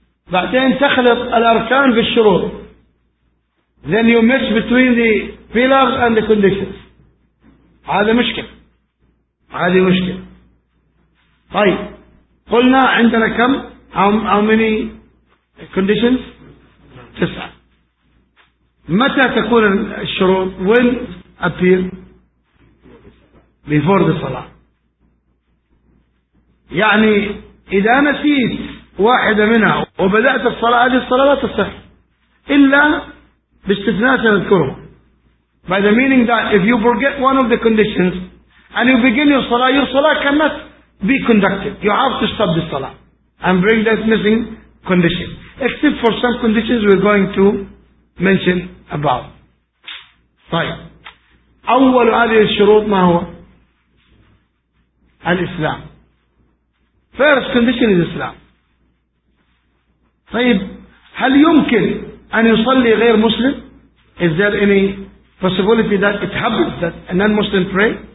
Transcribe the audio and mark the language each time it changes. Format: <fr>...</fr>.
<ar>بعدين تخلط الأركان بالشروط.</ar> <en>Then you mix between the pillars and the conditions.</en> <ar>هذا مشكلة. هذه مشكلة. طيب قلنا عندنا كم,</ar> <en>how many conditions? 9.</en> <ar>متى تكون الشروط؟</ar> <en>when appear before the salah.</en> <ar>يعني إذا نسيت واحدة منها وبدأت الصلاة هذه الصلاة لا تصح إلا باستثناء سنذكره.</ar> <en>By the meaning that if you forget one of the conditions and you begin your salah, your salah cannot be conducted. You have to stop the salah and bring that missing condition. Except for some conditions we're going to mention above.</en> <ar>طيب أول هذه الشروط ما هو؟ الإسلام.</ar> <en>First condition is Islam.</en> <ar>طيب هل يمكن أن يصلي غير مسلم؟</ar> <en>Is there any possibility that it happens that a non-Muslim pray?</en>